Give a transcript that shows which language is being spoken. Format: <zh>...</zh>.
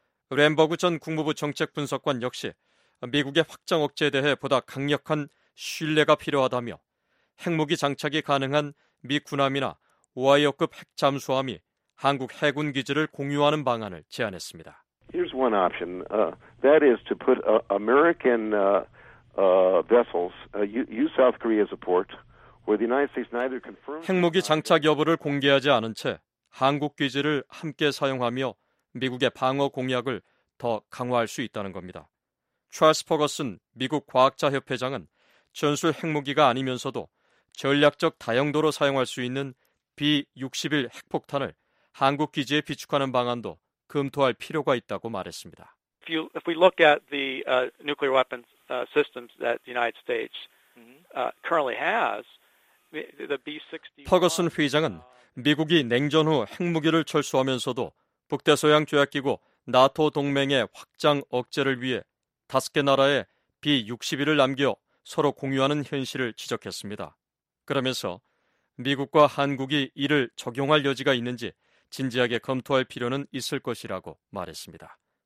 <ko>램버그 전 국무부 정책분석관 역시 미국의 확장 억제에 대해 보다 강력한 신뢰가 필요하다며 핵무기 장착이 가능한 미 군함이나 오하이오급 핵 잠수함이 한국 해군 기지를 공유하는 방안을 제안했습니다.</ko> <en>Here's one option. That is to put American vessels, use South Korea as a port, where the United States neither confirms.</en> <ko>핵무기 장착 여부를 공개하지 않은 채 한국 기지를 함께 사용하며 미국의 방어 공약을 더 강화할 수 있다는 겁니다. 찰스 퍼거슨 미국 과학자 협회장은 전술 핵무기가 아니면서도 전략적 다용도로 사용할 수 있는 B-61 핵폭탄을 한국 기지에 비축하는 방안도 검토할 필요가 있다고 말했습니다.</ko> <en>If we look at the nuclear weapons systems that the United States currently has, the B-61.</en> <ko>퍼거슨 회장은 미국이 냉전 후 핵무기를 철수하면서도 북대서양 조약기구 나토 동맹의 확장 억제를 위해 다섯 개 나라에 B-61을 남겨 서로 공유하는 현실을 지적했습니다. 그러면서 미국과 한국이 이를 적용할 여지가 있는지 진지하게 검토할 필요는 있을 것이라고 말했습니다.</ko>